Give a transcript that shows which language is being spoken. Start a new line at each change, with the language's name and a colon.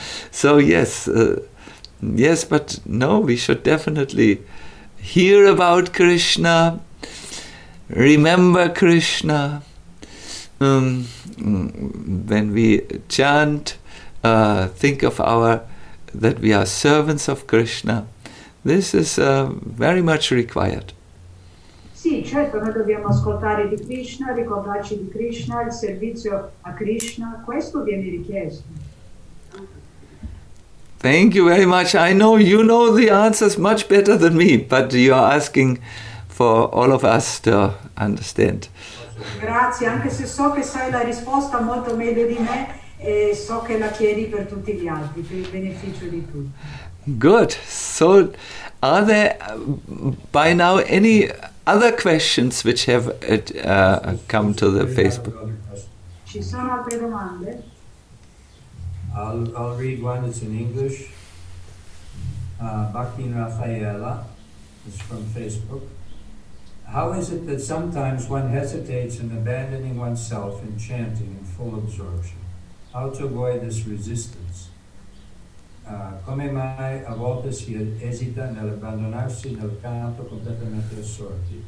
English: So, yes, but no, we should definitely hear about Krishna, remember Krishna. When we chant, think of that we are servants of Krishna. This is very much required.
Italian: Sì, certo, noi dobbiamo ascoltare di Krishna, ricordarci di Krishna, il servizio a Krishna. Questo viene richiesto.
English: Thank you very much. I know you know the answers much better than me, but you are asking for all of us to understand.
Italian: Grazie, anche se so che sai la risposta molto meglio di me, so che la chiedi per tutti gli altri, per il beneficio di tutti.
English: Good. So, are there by now any other questions which have come to the Facebook?
Italian: Ci sono altre domande?
English: I'll read one. It's in English. Bakin Rafaela is from Facebook. How is it that sometimes one hesitates in abandoning oneself in chanting in full absorption? How to avoid this resistance?
Italian: come mai a volte si esita nell'abbandonarsi nel campo completamente assorti?